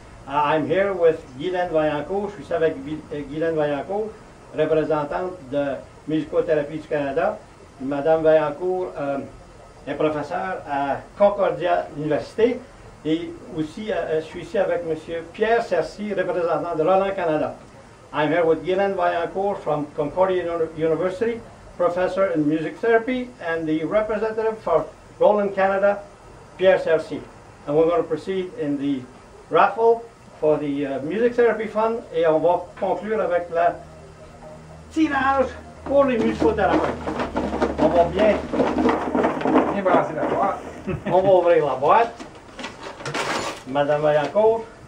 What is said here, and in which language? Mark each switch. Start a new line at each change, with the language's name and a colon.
English: I'm here with Guylaine Vaillancourt.
French: Je suis ici avec Guylaine Vaillancourt, représentante de Musicothérapie du Canada. Madame Vaillancourt est professeure à Concordia Université. Et aussi, je suis ici avec M. Pierre Cercy, représentant de Roland Canada.
English: I'm here with Guylaine Vaillancourt from Concordia University, professor in music therapy, and the representative for Roland Canada, Pierre Cercy. And we're going to proceed in the raffle for the Music Therapy Fund,
French: et on va conclure avec le tirage pour les musicothérapeutes. On va bien brasser la boîte. On va ouvrir la boîte. Madame Vaillancourt.